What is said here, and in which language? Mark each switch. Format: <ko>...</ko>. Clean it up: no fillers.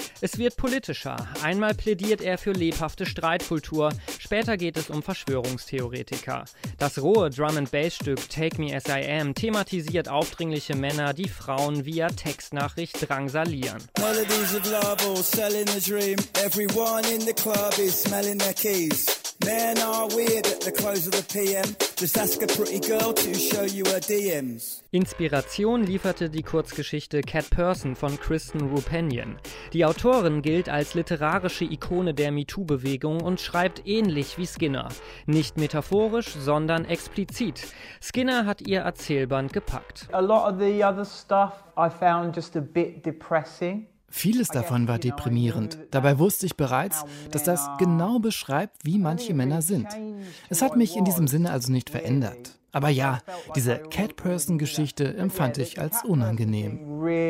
<de>Es wird politischer. Einmal plädiert er für lebhafte Streitkultur, später geht es um Verschwörungstheoretiker. Das rohe Drum-and-Bass-Stück Take Me As I Am thematisiert aufdringliche Männer, die Frauen via Textnachricht drangsalieren.</de> <en>Melodies of love or selling a dream. Everyone in the club is smelling their keys. Men are weird at the close of the PM. Just ask a pretty girl to show you her DMs.</en> <de>Inspiration lieferte die Kurzgeschichte Cat Person von Kristen Rupenyan. Die Autorin gilt als literarische Ikone der MeToo-Bewegung und schreibt ähnlich wie Skinner. Nicht metaphorisch, sondern explizit. Skinner hat ihr Erzählband gepackt.</de> <en>A lot of the other stuff I found just a bit depressing.</en> <de>Vieles davon war deprimierend. Dabei wusste ich bereits, dass das genau beschreibt, wie manche Männer sind. Es hat mich in diesem Sinne also nicht verändert. Aber ja, diese Cat-Person-Geschichte empfand ich als unangenehm.</de>